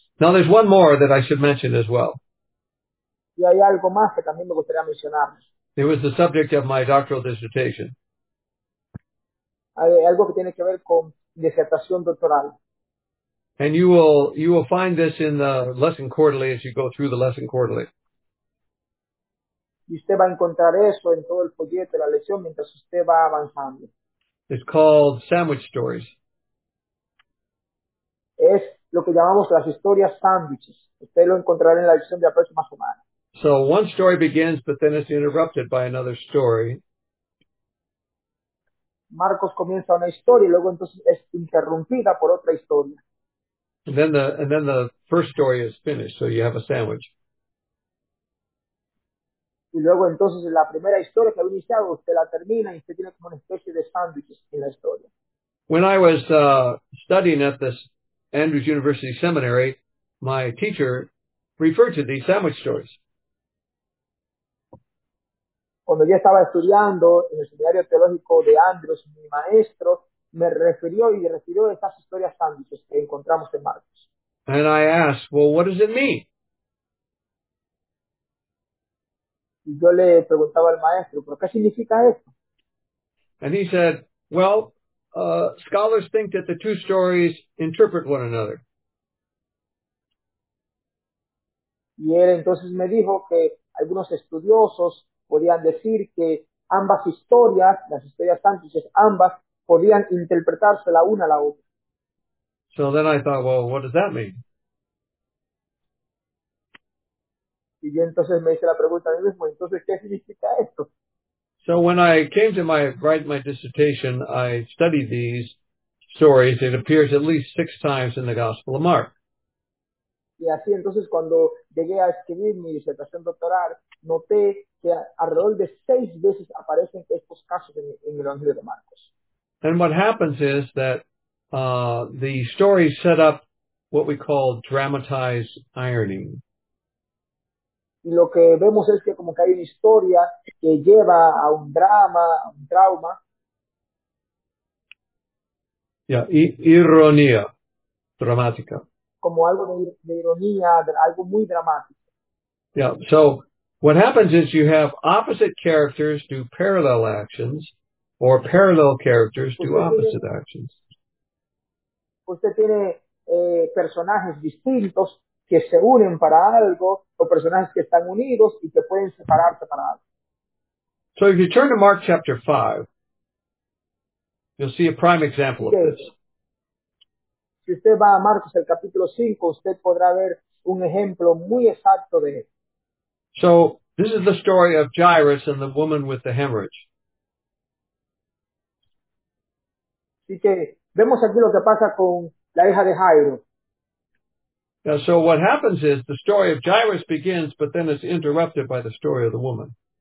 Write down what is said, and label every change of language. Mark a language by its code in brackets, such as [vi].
[en] Now there's one more that I should mention as well. [es] Y hay algo más que también me gustaría mencionar. [en] It was the subject of my doctoral dissertation. [es] Algo que tiene que ver con disertación doctoral. [en] And you will find this in the lesson quarterly as you go through the lesson quarterly. [es] Y usted va a encontrar eso en todo el folleto de la lección mientras usted va avanzando. [en] It's called sandwich stories. [es] Es lo que llamamos las historias sándwiches. Usted lo encontrará en la lección de la próxima semana. [en] So one story begins, but then it's interrupted by another story. [es] Marcos comienza una historia y luego entonces es interrumpida por otra historia. [en] And then the first story is finished, so you have a sandwich. [es] Y luego entonces la primera historia que ha iniciado, usted la termina y usted tiene como una especie de sándwiches en la historia. [en] When I was studying at this Andrews University Seminary, my teacher referred to these sandwich stories. [es] Cuando yo estaba estudiando en el seminario teológico de Andrews, mi maestro me refirió y refirió a estas historias sándwiches que encontramos en Marcos. [en] And I asked, well, what does it mean? [es] Y yo le preguntaba al maestro, ¿pero qué significa esto? [en] And he said, well, scholars think that the two stories interpret one another. [es] Y él entonces me dijo que algunos estudiosos podían decir que ambas historias, las historias sándwiches, ambas podían interpretarse la una a la otra. [en] So then I thought, well, what does that mean? [es] Y yo entonces me hice la pregunta a mí mismo, entonces, ¿qué significa esto? [en] So when I came to write my dissertation, I studied these stories. It appears at least six times in the Gospel of Mark. [es] Y así entonces cuando llegué a escribir mi disertación doctoral, noté que alrededor de seis veces aparecen estos casos en el Evangelio de Marcos. [en] And what happens is that the stories set up what we call dramatized irony. [es] Y lo que vemos es que como que hay una historia que lleva a un drama, a un trauma. Yeah, ironía dramática. Como algo de ironía, de algo muy dramático. [en] Yeah, so what happens is you have opposite characters do parallel actions, or parallel characters do opposite actions. [es] Usted tiene personajes distintos que se unen para algo, o personajes que están unidos y que pueden separarse para algo. [en] So if you turn to Mark chapter 5, you'll see a prime example of this. [es] Si usted va a Marcos el capítulo 5, usted podrá ver un ejemplo muy exacto de esto. [en] So, this is the story of Jairus and the woman with the hemorrhage. [es] Así que vemos aquí lo que pasa con la hija de Jairo. [en] Now, so what happens is the story of Jairus begins, but then it's interrupted by the story of the woman.